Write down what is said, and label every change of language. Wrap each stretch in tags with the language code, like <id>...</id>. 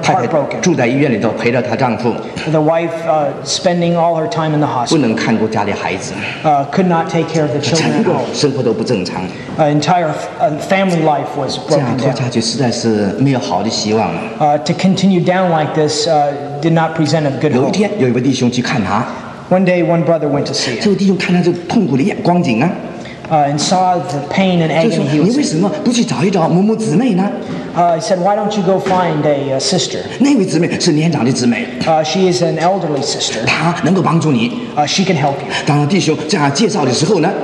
<zh>太太住在医院里头陪着她丈夫。</zh> <en>The wife spending all her time in the hospital.</en> <zh>不能看顾家里孩子。</zh> <en>Could not take care of the children.</en> <zh>整个生活都不正常。</zh> <en>Entire family life was broken.</en> <zh>这样拖下去实在是没有好的希望。</zh> <en>To continue down like this did not present a good hope.</en> <zh>有一天，有一位弟兄去看他。</zh> <en>One day, one brother went to see him.</en> <zh>这位弟兄看他这痛苦的眼光景啊。</zh> <en>And saw the pain and agony he was in.</en> <zh>你为什么不去找一找某某姊妹呢？</zh> <en>He said, why don't you go find a sister?</en> <zh>那位姊妹是年长的姊妹。</zh> <en>She is an elderly sister.</en> <zh>她能够帮助你。</zh> <en>She can help you.</en> <zh>当弟兄这样介绍的时候呢？</zh>